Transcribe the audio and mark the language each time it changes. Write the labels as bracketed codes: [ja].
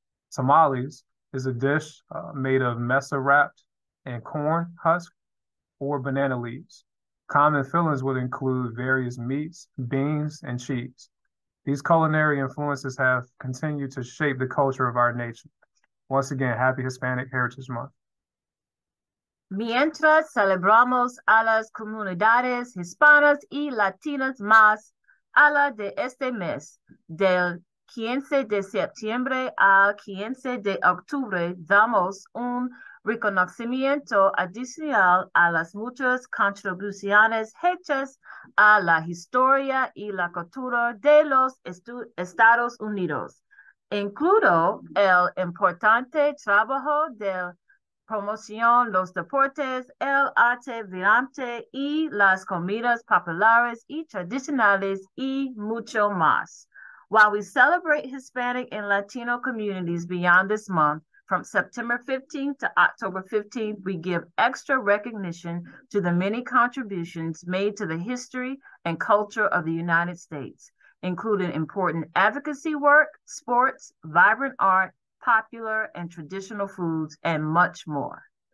[en] Tamales is a dish made of mesa wrapped in corn husk or banana leaves. Common fillings would include various meats, beans, and cheese. These culinary influences have continued to shape the culture of our nation. Once again, happy Hispanic Heritage Month. [es] Mientras celebramos a las comunidades hispanas y latinas más a la de este mes, del 15 de septiembre al 15 de octubre, damos un reconocimiento adicional a las muchas contribuciones hechas a la historia y la cultura de los Estados Unidos, incluido el importante trabajo de promoción, los deportes, el arte vibrante y las comidas populares y tradicionales y mucho más. [en] While we celebrate Hispanic and Latino communities beyond this month, from September 15th to October 15th, we give extra recognition to the many contributions made to the history and culture of the United States, including important advocacy work, sports, vibrant art, popular and traditional foods, and much more.